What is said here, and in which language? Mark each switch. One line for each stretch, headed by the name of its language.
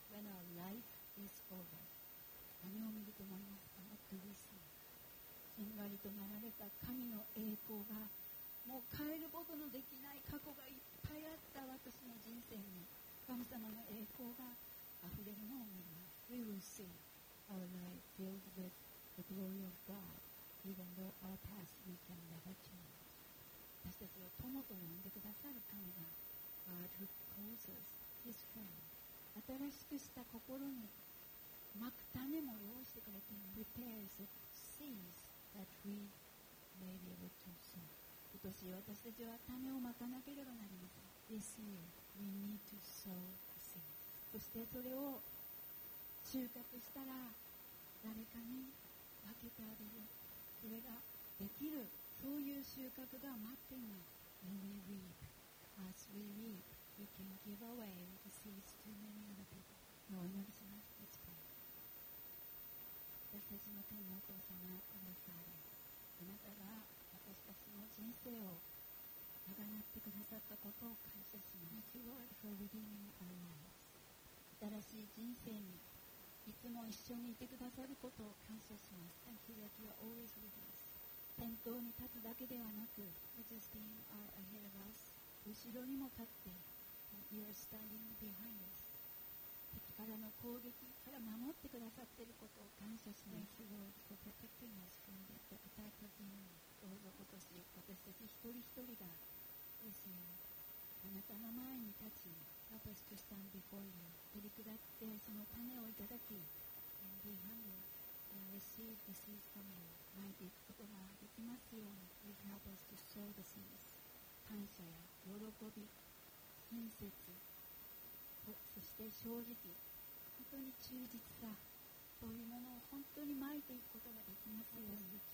English: when our life is over,
Japanese: 何を見ると思いますか?
English: What do we see?
Japanese: しんがりとなられた神の栄光が、もう変えることのできない過去がいっぱいあった私の人生に、神様の栄光が、溢れるのを見ます。
English: We will see our life filled with the glory of God, even though our past we can never change.
Japanese: 私たちを友と呼んでくださる神が、
English: God who calls us His friend,
Japanese: 新しくした心に蒔く種も用意してくれて、
English: prepares the seeds that we may be able to sow.
Japanese: 今年私たちは種を蒔かなければなりません。
English: This year we need to sow the seeds.
Japanese: そしてそれを収穫したら誰かに分けてあげる。それができる、そういう収穫が待っています。
English: When we reap, as we reap, we can give away the seeds to many other people.
Japanese: お祈りします。
English: Let's pray.
Japanese: 私たちの天のお父様、神様、あなたが私たちの人生を贖ってくださったことを感謝します。
English: Thank you, Lord, for redeeming our lives.
Japanese: 新しい人生にいつも一緒にいてくださることを感謝します。
English: Thank you that you are always with us.
Japanese: 先頭に立つだけではなく、
English: You're just being ahead of us.
Japanese: 後ろにも立って、
English: You are standing behind us.
Japanese: 敵からの攻撃から守ってくださっていることを感謝します。
English: Thank you, Lord, for protecting us from the attack of the enemy.
Japanese: どうぞ今年、私たち一人一人が
English: This year,
Japanese: あなたの前に立ち、
English: Help us to stand before you.
Japanese: 取り下ってその種をいただき、
English: And be humble and receive the seeds from you.
Japanese: 巻いていくことができますように。
English: Please help us to sow the seeds.
Japanese: 感謝や喜び、親切、そして正直、本当に忠実さ、そういうものを本当に巻いていくことができますように。